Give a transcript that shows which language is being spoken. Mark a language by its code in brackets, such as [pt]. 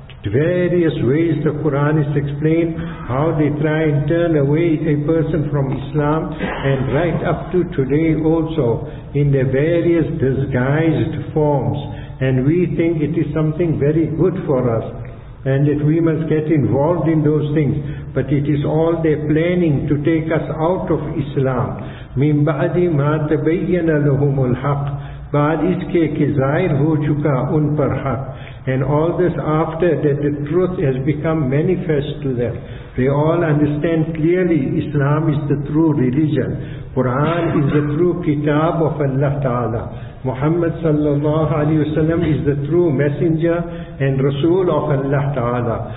[en] Various ways the Quran is explained, how they try and turn away a person from Islam, and right up to today also in their various disguised forms. And we think it is something very good for us, and that we must get involved in those things. But it is all their planning to take us out of Islam. [ar] مِن بَعْدِ مَا تَبَيَّنَ لَهُمُ الْحَقِّ [ur] بَعْدْ اس کے کہ ظاہر ہو چکا ان پر حق. [en] And all this after that the truth has become manifest to them. They all understand clearly Islam is the true religion. Quran is the true kitab of Allah Ta'ala. Muhammad sallallahu alayhi wa sallam is the true messenger and rasul of Allah Ta'ala.